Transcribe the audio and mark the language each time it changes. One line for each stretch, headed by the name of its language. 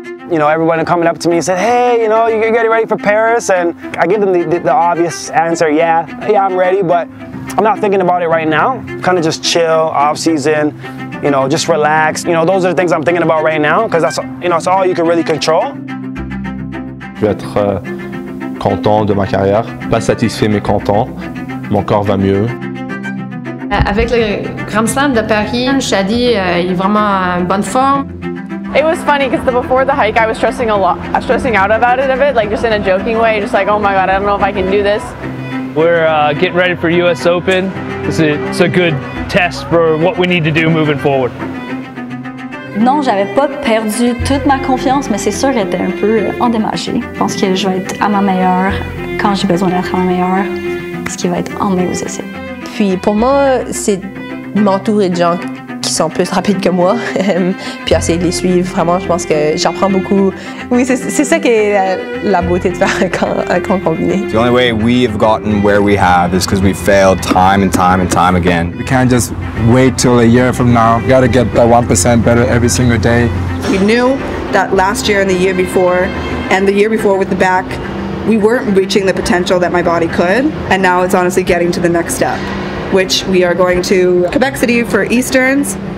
English: You know, everyone coming up to me and said, hey, you know, you're getting ready for Paris? And I give them the obvious answer, yeah, I'm ready, but I'm not thinking about it right now. Kind of just chill, off season, you know, just relax. You know, those are the things I'm thinking about right now, because that's, you know, it's all you can really control.
French: Je vais être content de ma carrière, pas satisfait, mais content. Mon corps va mieux. Avec le Grand Slam de Paris, Shadi est vraiment en bonne forme.
English: It was funny because before the hike, I was stressing a lot, stressing out about it a bit, like just in a joking way, just like, oh my God, I don't know if I can do this. We're getting ready for US Open. It's a good test for what we need to do moving forward.
French: Non, j'avais pas perdu toute ma confiance, mais c'est sûr que j'étais un peu endommagée. Je pense que je vais être à ma meilleure quand j'ai besoin d'être à ma meilleure, ce qui va être en mai aux essais. Puis pour moi, c'est m'entourer de gens qui sont plus rapides que moi, puis essayer de les suivre. Vraiment, je pense que j'apprends beaucoup. Oui, c'est ça qui est la beauté de faire un camp combiné.
English: The only way we have gotten where we have is because we failed time and time and time again. We can't just wait till a year from now. We gotta get that 1% better every single day. We knew that last year and the year before, and the year before with the back, we weren't reaching the potential that my body could, and now it's honestly getting to the next step, which we are going to Quebec City for Easterns.